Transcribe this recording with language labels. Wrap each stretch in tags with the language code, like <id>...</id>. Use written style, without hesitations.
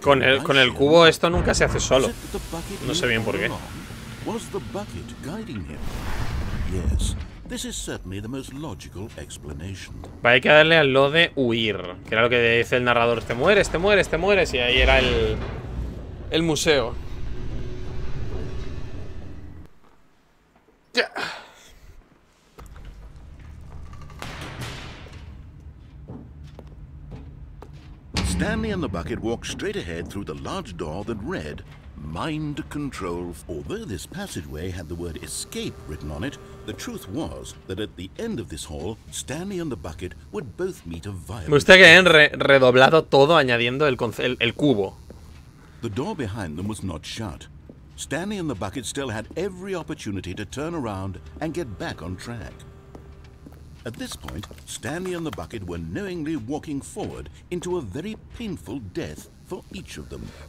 <es>con el cubo esto nunca se hace solo. No sé bien por qué.</es> <en>Was the bucket guiding him? Yes, this is certainly the most logical explanation.</en> <es>Hay que darle al lo de huir, que era lo que dice el narrador. Te mueres, y ahí era el museo.</es> <en>Yeah. Stanley and the bucket walked straight ahead through the large door that read Mind Control. Although this passageway had the word escape written on it, the truth was that at the end of this hall, Stanley and the bucket would both meet a violent...</en> <es>Me gusta que hayan redoblado todo añadiendo el cubo.</es> <en>The door behind them was not shut. Stanley and the bucket still had every opportunity to turn around and get back on track. At this point, Stanley and the bucket were knowingly walking forward into a very painful death for each of them.</en>